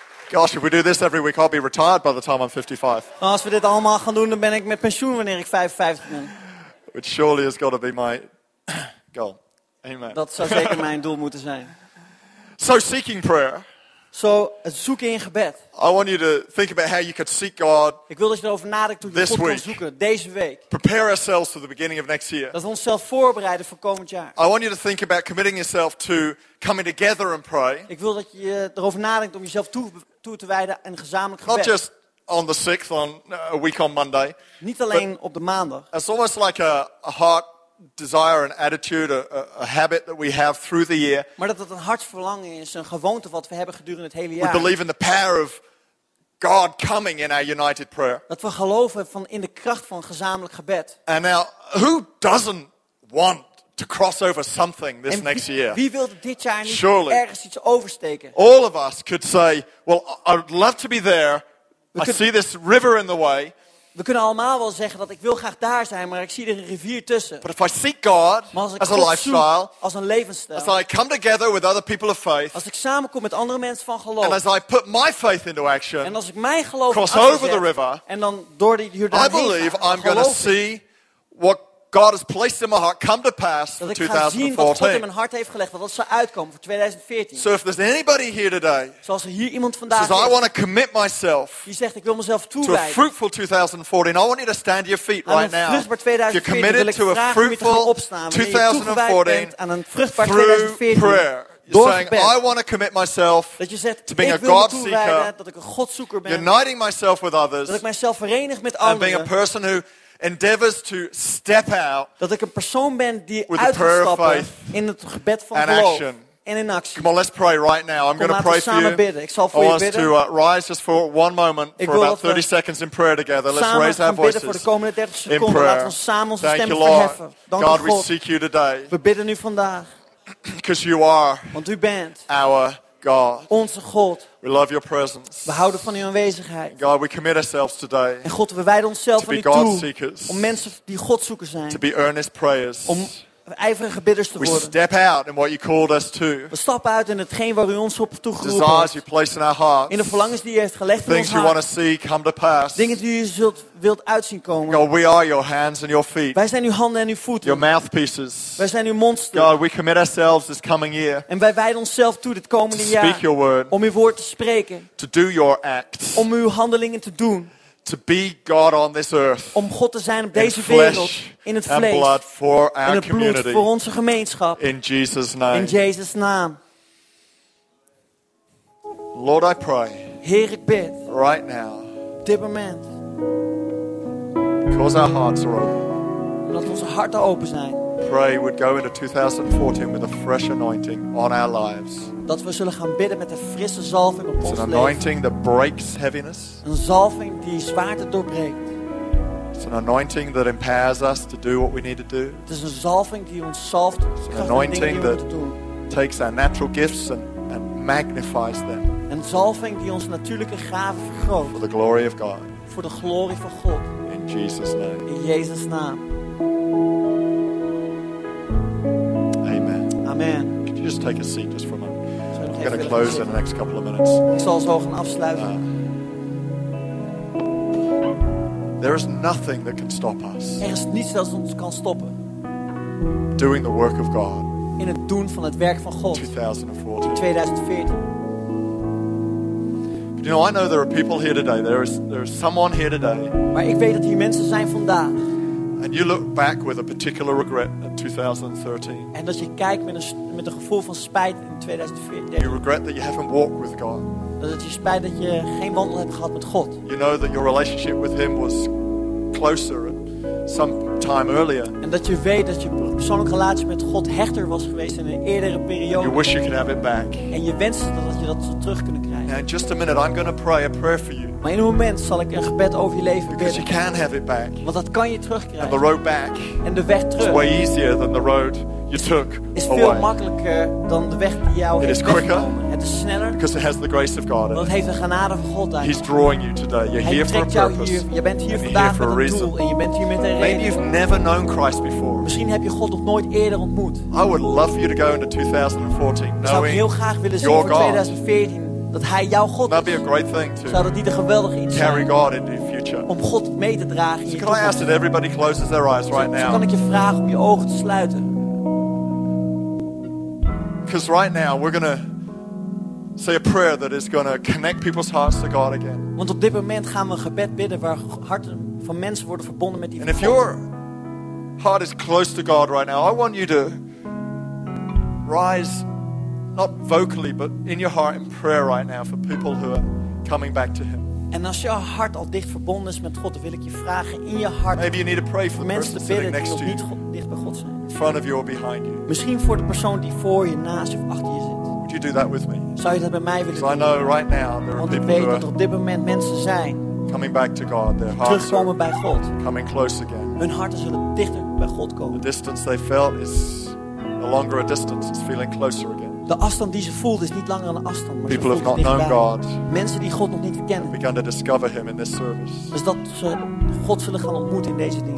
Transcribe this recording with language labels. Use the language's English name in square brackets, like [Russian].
[English] Gosh, if we do this every week, I'll be retired by the time I'm 55. [Dutch] Als we dit allemaal gaan doen, dan ben ik met pensioen wanneer ik 55 ben. [English] Which surely has got to be my goal. Amen. [Dutch] Dat zou zeker mijn doel moeten zijn. [English] So seeking prayer. [Dutch] So zoeken in gebed. [English] I want you to think about how you could seek God. [Dutch] Ik wil dat je erover nadenkt hoe je God kan zoeken deze week. [English] Prepare ourselves for the beginning of next year. [Dutch] Dat we onszelf voorbereiden voor komend jaar. [English] I want you to think about committing yourself to coming together and pray. [Dutch] Ik wil dat je erover nadenkt om jezelf toe te wijden en gezamenlijk gebed. [English] Not just on the 6th on a week on Monday. [Dutch] Niet alleen op de maandag. [English] It's almost like a heart desire and attitude, a habit that we have through the year. [Dutch] Maar dat het een hartsverlangen is, een gewoonte wat we hebben gedurende het hele jaar. [English] We believe in the power of God coming in our united prayer. [Dutch] Dat we geloven van in de kracht van gezamenlijk gebed. [English] And now, who doesn't want to cross over something this next year? [Dutch] Wie wil dit jaar niet [English] surely [Dutch] ergens iets oversteken? [English] All of us could say, well, I would love to be there. I see this river in the way. [Dutch] We kunnen allemaal wel zeggen dat ik wil graag daar zijn, maar ik zie er een rivier tussen. [English] But if I seek God, [Dutch] maar als ik [English] as God a lifestyle, [Dutch] zoek als een levensstijl, [English] as I come together with other people of faith, [Dutch] als ik samenkom met andere mensen van geloof, [English] and as I put my faith into action, [Dutch] en als ik mijn geloof [English] cross [Dutch] in actie [English] over [Dutch] zet, [English] the river, [Dutch] en dan door die Jordaan [English] I believe [Dutch] heen, [English] I'm going to see what God has placed in my heart come to pass [Dutch] dat [English] for 2014. [Dutch] Dat ik ga zien wat God in mijn hart heeft gelegd, dat zal uitkomen voor 2014. [English] So if there's anybody here today, [Dutch] zoals er hier iemand vandaag is, [English] says I want to commit myself, [Dutch] die zegt ik wil mezelf toewijden, [English] to a fruitful 2014, I want you to stand to your feet right now. [Dutch] Aan een vruchtbaar 2014. [English] You're committed to a fruitful 2014 [Dutch] aan een vruchtbaar 2014. [English] Prayer. You're saying, I want to commit myself [Dutch] dat je zegt, [English] to being [Dutch] ik [English] a God seeker, [Dutch] dat ik een Godzoeker ben, [English] uniting myself with others, [Dutch] dat ik mijzelf verenig met anderen, [English] and being a person who endeavors to step out [Dutch] dat ik een persoon ben die uitstapt in het gebed van geloof en in actie. [English] Come on, let's pray right now. I'm going to pray for you. [Dutch] Bidden. Ik zal voor je bidden. [English] I want us to rise just for one moment [Dutch] ik [English] for about 30 seconds in prayer together. Let's raise our voices. [Dutch] Samen voor de komende 30 seconden. [English] In prayer. [Dutch] Laten we samen onze [English] thank [Dutch] stemmen [English] you, [Dutch] verheffen. Dank [English] God, [Dutch] God, [English] we seek you today. [Dutch] We bidden u vandaag. [English] Because you are. [Dutch] Want u bent. [English] Our God. [Dutch] Onze God. [English] We love your presence. [Dutch] We houden van uw aanwezigheid. [English] God, we commit ourselves today. [Dutch] En God, we wijden onszelf aan u [English] God Seekers. [Dutch] Om mensen die God zoeken zijn. [English] To be earnest prayers. [Dutch] Om ijverige bidders te [English] we [Dutch] worden. [English] We step out in what you called us to. [Dutch] We stappen uit in hetgeen waar u ons op toegeroepen hebt. [English] Desires you place in our hearts. [Dutch] In de verlangens die u heeft gelegd [English] things [Dutch] in ons hart. [English] Things you want to see come to pass. [Dutch] Dingen die u wilt uitzien komen. [English] God, we are your hands and your feet. [Dutch] Wij zijn uw handen en uw voeten. [English] Your mouthpieces. [Dutch] Wij zijn uw mond. [English] God, we commit ourselves this coming year. [Dutch] En wij wijden onszelf toe dit komende jaar. [English] To speak your word. [Dutch] Om uw woord te spreken. [English] To do your acts. [Dutch] Om uw handelingen te doen. [English] To be God on this earth. [Dutch] Om God te zijn op deze wereld. In het vlees. [English] And blood for our [Dutch] in het bloed [English] community. [Dutch] Voor onze gemeenschap. [English] In Jesus' name. [Dutch] In Jezus' naam. [English] Lord, I pray. [Dutch] Heer, ik bid. [English] Right now. [Dutch] Dit moment. [English] Cause our hearts are open. [Dutch] Laat onze harten open zijn. [English] Pray we'd go into 2014 with a fresh anointing on our lives. [Dutch] Dat we zullen gaan bidden met een frisse zalving op ons leven. [English] It's an anointing that breaks heaviness. [Dutch] Een zalving die zwaarte doorbreekt. [English] It's an anointing that empowers us to do what we need to do. [Dutch] Het is een zalving die ons zalft. [English] It's an anointing that takes our natural gifts and magnifies them. [Dutch] Een zalving die onze natuurlijke gaven vergroot. [English] For the glory of God. [Dutch] Voor de glorie van God. [English] In Jesus' name. [Dutch] In Jezus' naam. [English] Amen. [Dutch] Amen. [English] Could you just take a seat just for a moment? I'm going to close in the next couple of minutes. [Dutch] Ik zal zo gaan afsluiten. [English] There is nothing that can stop us. [Dutch] Er is niets dat ons kan stoppen. [English] Doing the work of God. [Dutch] In het doen van het werk van God. [English] 2014. You know, I know there are people here today. There is someone here today. [Dutch] Maar ik weet dat hier mensen zijn vandaag. [English] And you look back with a particular regret in 2013. [Dutch] En dat je kijkt met een gevoel van spijt in 2014. [English] You regret that you haven't walked with God. [Dutch] Dat het je spijt dat je geen wandel hebt gehad met God. [English] You know that your relationship with Him was closer at some time earlier. [Dutch] En dat je weet dat je persoonlijke relatie met God hechter was geweest in een eerdere periode. [English] You wish you could have it back. [Dutch] En je wenst dat je dat terug kunt krijgen. [English] In just a minute, I'm going to pray a prayer for you. [Dutch] Maar in een moment zal ik een gebed over je leven bidden. [English] Because you can have it back. [Dutch] Want dat kan je terugkrijgen. [English] And the road back. [Dutch] En de weg terug. [English] Is way easier than the road you took away. [Dutch] Is veel makkelijker dan de weg die jou. [English] It is quicker. [Dutch] Het is sneller. [English] Because it has the grace of God. [Dutch] Want het heeft de genade van God aan. [English] He's drawing you today. You're here for a purpose. [Dutch] Je bent hier vandaag met een doel en je bent hier met een reden. [English] Maybe you've never known Christ before. [Dutch] Misschien heb je God nog nooit eerder ontmoet. [English] I would love for you to go into 2014 knowing. [Dutch] Ik zou heel graag willen zien voor 2014. Dat hij jouw God is. [English] That'd be a great thing too. [Dutch] Zou dat niet een geweldig iets [English] carry [Dutch] zijn? [English] God into your future. [Dutch] Om God mee te dragen. [English] So can I ask that everybody closes their eyes right now? [Dutch] Kan ik je vragen om je ogen te sluiten? [English] Because right now we're gonna say a prayer that is gonna connect people's hearts to God again. [Dutch] Want op dit moment gaan we een gebed bidden waar harten van mensen worden verbonden met die [English] And [Dutch] God. [English] If your heart is close to God right now, I want you to rise. Not vocally, but in your heart in prayer right now for people who are coming back to Him. [Dutch] En als jouw hart al dicht verbonden is met God, wil ik je vragen in je hart. [English] Maybe you need to pray for the [Dutch] mensen [English] person sitting next to you. [Dutch] Niet dicht bij God zijn. [English] In front of you or behind you. [Dutch] Misschien voor de persoon die voor je, naast je of achter je zit. [English] Would you do that with me? [Dutch] Zou je dat bij mij willen doen? [English] Because I know right now there are people who are [Dutch] op dit moment mensen zijn. [English] Coming back to God, their hearts. [Dutch] Terugkomen bij God. [English] Coming close again. [Dutch] Hun harten zullen dichter bij God komen. [English] The distance they felt is no longer a distance. It's feeling closer again. [Dutch] De afstand die ze voelt is niet langer een afstand, maar [English] people [Dutch] ze voelt [English] have not known God. [Dutch] Mensen die God nog niet kennen. [English] Begin to discover Him in this service. [Dutch] Dus dat ze God zullen gaan ontmoeten in deze dienst.